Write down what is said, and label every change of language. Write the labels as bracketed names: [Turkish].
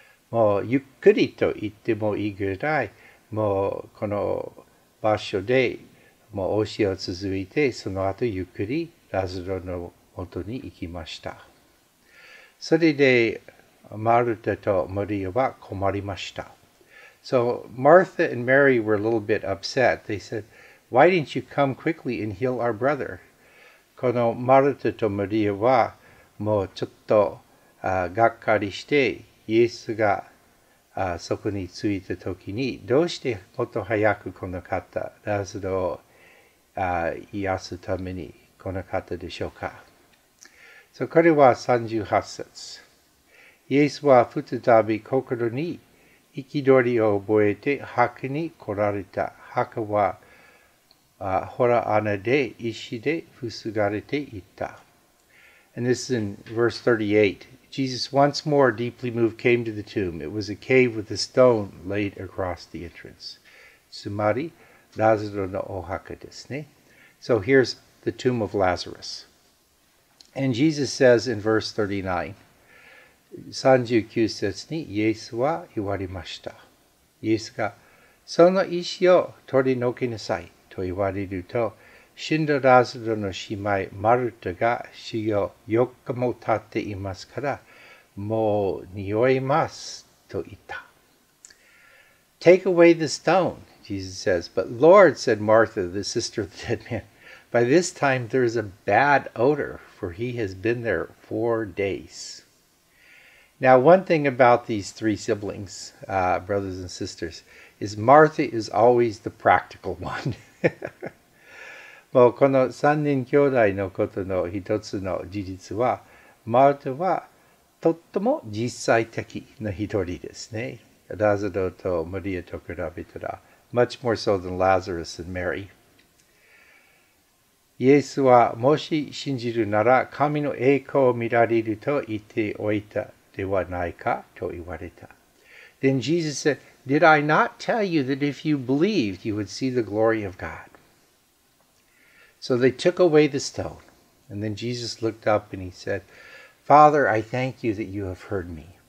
[Japanese] もうゆっくりと行ってもいいぐらい、もうこの場所でもう教えを続いて、その後ゆっくりラズロの元に行きました。それでマルタとマリアは困りました。 [English] So Martha and Mary were a little bit upset. They said, "Why didn't you come quickly and heal our brother?" [Japanese] このマルタとマリアはもうちょっとがっかりして、イエスがそこに着いた時にどうしてもっと早くこの方ラズロを癒すためにこの方でしょうか。 So, これは38節。イエスは再び心に憤りを覚えて墓に来られた。墓はほら穴で石で塞がれていた。 [English] And this is in verse 38. Jesus once more deeply moved came to the tomb. It was a cave with a stone laid across the entrance. [Japanese] つまり、ラズロのお墓ですね。 [English] So here's the tomb of Lazarus. And Jesus says in verse 39, [Japanese] 39節にイエスは言われました。イエスが、その石を取り除きなさい。と言われると、死んだラズロの姉妹マルタが死を4日も経っていますから、もう匂いますと言った。 [English] Take away the stone, Jesus says. But Lord, said Martha, the sister of the dead man, by this time there is a bad odor, for he has been there 4 days. Now, one thing about these three siblings, brothers and sisters, is Martha is always the practical one. [Japanese] もうこの三人兄弟のことの一つの事実は、マルタはとっても実際的な一人ですね。ラズロとマリアと比べたら、 [English] much more so than Lazarus and Mary. [Japanese] イエスはもし信じるなら神の栄光を見られると言っておいたではないかと言われた。 [English] Then Jesus said,Did I not tell you that if you believed, you would see the glory of God? So they took away the stone. And then Jesus looked up and he said, Father, I thank you that you have heard me.